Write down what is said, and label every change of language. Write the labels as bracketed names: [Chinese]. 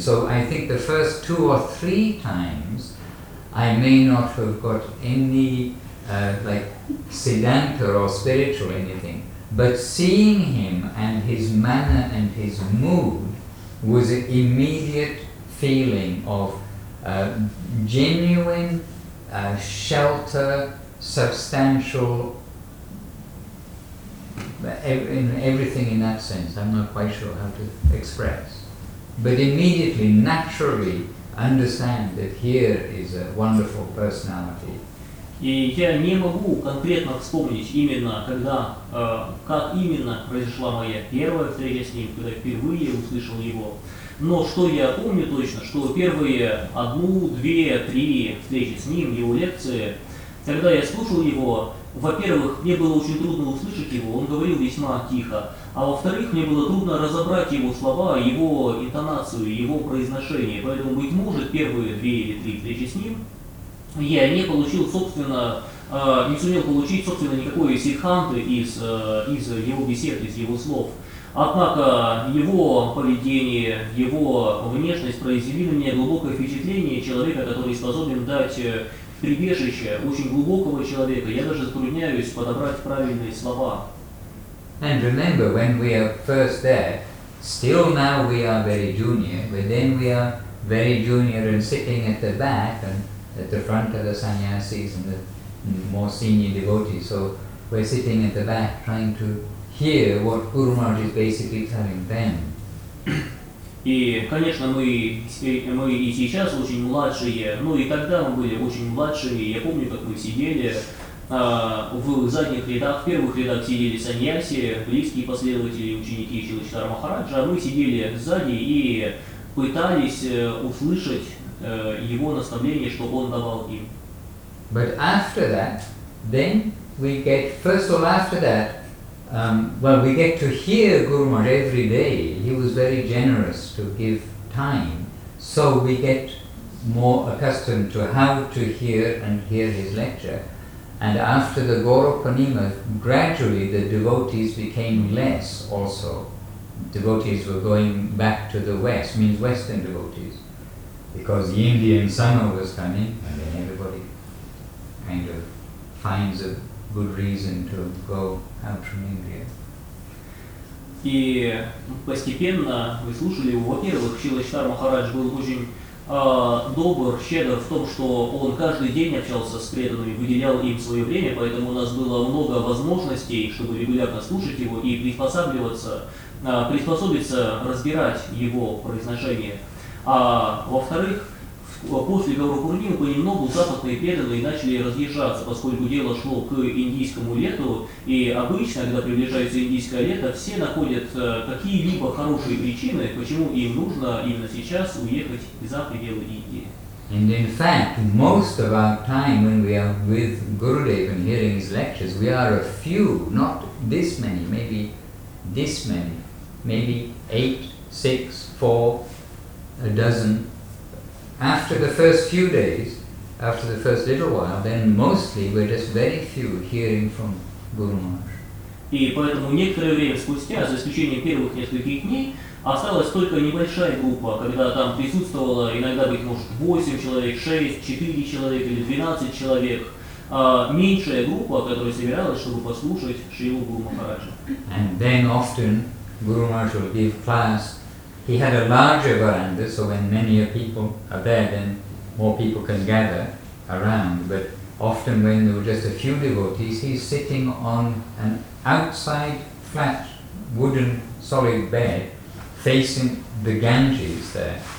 [English] So I think the first two or three times, I may not have got any like Siddhanta or spiritual anything, but seeing him and his manner and his mood was an immediate feeling of genuine shelter, substantial, in everything in that sense. I'm not quite sure how to express. But immediately, naturally, understand that here is a wonderful personality. [Russian] И я не могу конкретно вспомнить именно, когда, как именно произошла моя первая встреча с ним, когда впервые услышал его. Но что я помню точно, что первые одну, две, три встречи с ним, его лекции, когда я слушал его, во-первых, мне было очень трудно услышать его, он говорил весьма тихо, а во-вторых, мне было трудно разобрать его слова, его интонацию, его произношение, поэтому, быть может, первые две или три встречи с ним я не получил, собственно, не сумел получить, собственно, никакой сиддханты из его бесед, из его слов. Однако его поведение, его внешность произвели на меня глубокое впечатление человека, который способен дать прибежище очень глубокого человека, я даже затрудняюсь подобрать правильные слова. [English] And remember, when we are first there, still now we are very junior, but then we are very junior and sitting at the back and at the front of the sannyasis and the more senior devotees. So we're sitting at the back trying to hear what Guru Maharaj is basically telling them. [Russian] И, конечно, мы и сейчас очень младшие, ну и тогда мы были очень младшие, я помню, как мы сидели в задних рядах, в первых рядах сидели саньяси, близкие последователи, ученики Шрилы Чайтанья Махараджа, а мы сидели сзади и пытались услышать его наставление, что он давал им. [English] But after that, then we get, first of all, after that, well, we get to hear Guru Maharaj every day. He was very generous to give time. So we get more accustomed to how to hear and hear his lecture. And after the Gauropanima, gradually the devotees became less also. Devotees were going back to the West, means Western devotees, because the Indian summer was coming, and then everybody kind of finds a good reason to go out from India. [Russian] И постепенно вы слушали его. Во-первых, Шрила Чайтанья Махарадж был очень добр, щедр в том, что он каждый день общался с преданными, выделял им свое время, поэтому у нас было много возможностей, чтобы регулярно слушать его и приспособиться, разбирать его произношение. А во-вторых, после Гауропурнимы понемногу западные преданные начали разъезжаться, поскольку дело шло к индийскому лету, и обычно, когда приближается индийское лето, все находят какие-либо хорошие причины, почему им нужно именно сейчас уехать за пределы Индии. [English] And in fact, most of our time when we are with Gurudev and hearing his lectures, we are a few, not this many, maybe this many, maybe 8, 6, 4, 12. After the first few days, after the first little while, then mostly we're just very few hearing from Guru Maharaj. [Russian] И поэтому некоторое время спустя, за исключением первых нескольких дней, осталась только небольшая группа, когда там присутствовало иногда, быть может, 8 человек, 6, 4 человека или 12 человек, меньшая группа, которая собиралась, чтобы послушать Шрилу Гуру Махараджа. [English] And then often Guru Maharaj will give class. He had a larger veranda, so when many people are there, then more people can gather around. But often when there were just a few devotees, he's sitting on an outside flat wooden solid bed facing the Ganges there.